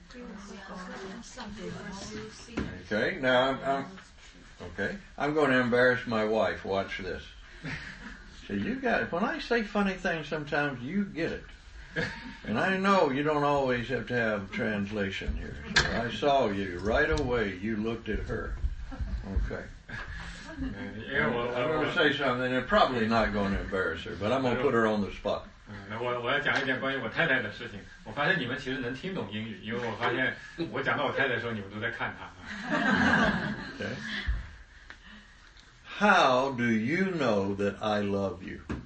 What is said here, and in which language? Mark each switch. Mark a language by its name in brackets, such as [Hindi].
[Chinese] 我们怎么知道神是神爱的神呢？ [English] Okay, now I'm going to embarrass my wife. Watch this. So you got it. When I say funny things, sometimes you get it. And I know you don't always have to have translation here. So I saw you right away. You looked at her. Okay. I'm going to say something, and probably not going to embarrass her, but I'm going to put her on the spot. [Chinese] 我要讲一点关于我太太的事情。我发现你们其实能听懂英语，因为我发现我讲到我太太的时候，你们都在看她。Okay. [English] How do you know that I love you?